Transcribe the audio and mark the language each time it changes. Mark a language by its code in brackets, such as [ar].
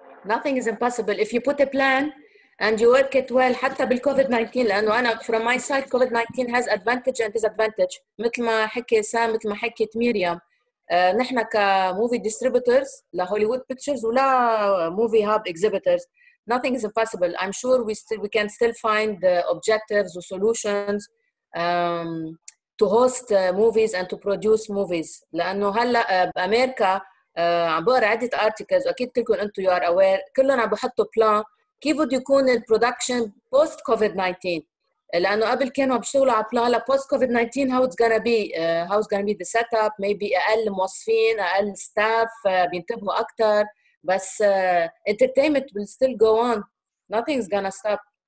[en] nothing is impossible if you put a plan and you work it well [ar] حتى بالكوفيد 19 لانه انا [en] from my side covid 19 has advantage and disadvantage [ar] مثل ما حكي سام مثل ما حكيت ميريام نحن كموفي ديستريبيوتورز لهوليوود بيكتشرز ولا موفي هاب اكزيبيتورز [en] nothing is impossible. I'm sure we can still find the objectives or solutions to host movies and to produce movies. [ar] لأنه هلا أمريكا عم بقرا عدة articles وأكيد كلكم أنتم [en] you are aware [ar] كلنا عم بحطوا plan كيف بده يكون ال production post COVID 19. لأنه قبل كانوا بيشتغلوا على [en] plan post COVID 19 how it's gonna be the setup, maybe [ar] أقل موظفين أقل [en] staff [ar] بينتبهوا أكتر بس [en] entertainment will still go on, nothing's gonna stop.